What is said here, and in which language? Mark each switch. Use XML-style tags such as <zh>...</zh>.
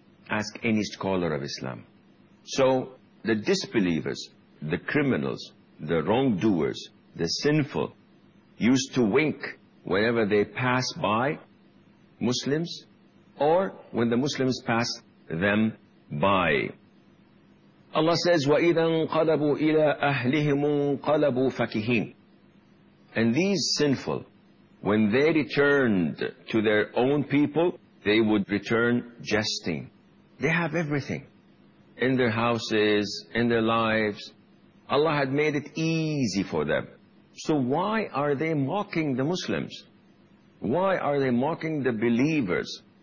<en>Ask any scholar of Islam. So, the disbelievers, the criminals, the wrongdoers, the sinful, used to wink whenever they pass by Muslims or when the Muslims pass them by. Allah says,</en> <ar>وَإِذَا انْقَلَبُوا إِلَىٰ أَهْلِهِمُ انْقَلَبُوا فَكِهِينَ.</ar> <en>And these sinful, when they returned to their own people, they would return jesting. They have everything. In their houses, in their lives. Allah had made it easy for them. So why are they mocking the Muslims? Why are they mocking the believers?</en>